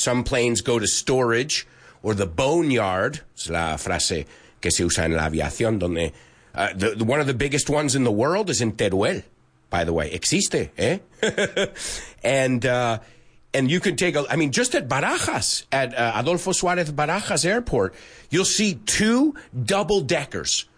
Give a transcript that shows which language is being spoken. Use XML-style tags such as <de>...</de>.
<en>Some planes go to storage or the boneyard.</en> <es>Es la frase que se usa en la aviación.</es> <en>Donde one of the biggest ones in the world is in Teruel, by the way.</en> <es>Existe, eh?</es> <en>And you can take a, I mean, just at Barajas, at Adolfo Suarez Barajas Airport, you'll see two double-deckers.</en>